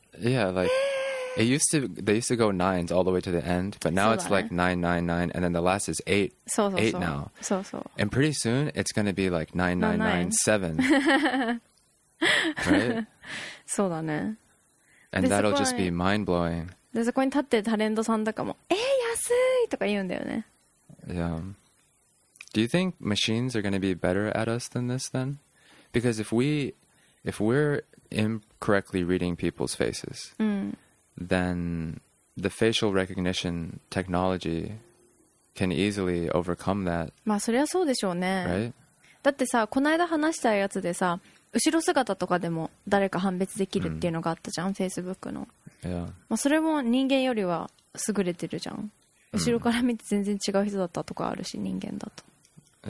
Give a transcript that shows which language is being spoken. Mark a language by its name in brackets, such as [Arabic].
[English] Yeah, like they used to go nines all the way to the end, but now it's like 999, and then the last is 8. [Japanese] そうそうそう。 [English] 8 now. [Japanese] そうそう。 [English] And pretty soon it's going to be like 9997. Right? [Japanese] そうだね。 [English] And that'll just be mind-blowing. [Japanese] で、そこに立ってタレントさんとかも、安いとか言うんだよね。 [English] Yeah. Do you think machines are going to be better at us than this then? Because if we're incorrectly reading people's faces, then the facial recognition technology can easily overcome that. [Japanese] まあそれはそうでしょうね。 [English] Right? [Japanese] だってさ、この間話したやつでさ、後ろ姿とかでも誰か判別できるっていうのがあったじゃん、Facebook の。 [English] Yeah. [Japanese] まあそれも人間よりは優れてるじゃん。後ろから見て全然違う人だったとかあるし、人間だと。